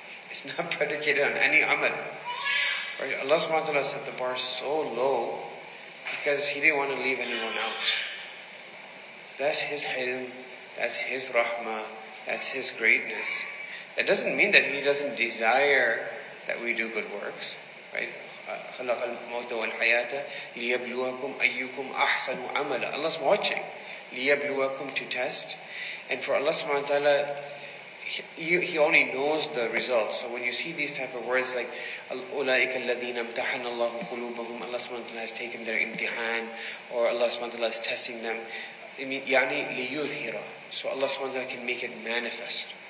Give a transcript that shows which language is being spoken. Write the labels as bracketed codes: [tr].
[en] It's not predicated on any amal. Right? Allah subhanahu wa ta'ala set the bar so low because He didn't want to leave anyone out. That's His hilm, that's His rahmah, that's His greatness. That doesn't mean that He doesn't desire that we do good works, right? [ar] خلق الموت والحياة ليبلوكم أيكم أحسن عملا. [en] Allah's watching. ليبلوكم, to test. And for Allah subhanahu wa ta'ala, he only knows the results. So when you see these type of words like [ar] أولئك الذين امتحن الله قلوبهم, [en] Allah subhanahu wa ta'ala has taken their imtihan, or Allah subhanahu wa ta'ala is testing them, [ar] يعني ليظهر, [en] so Allah subhanahu wa ta'ala can make it manifest.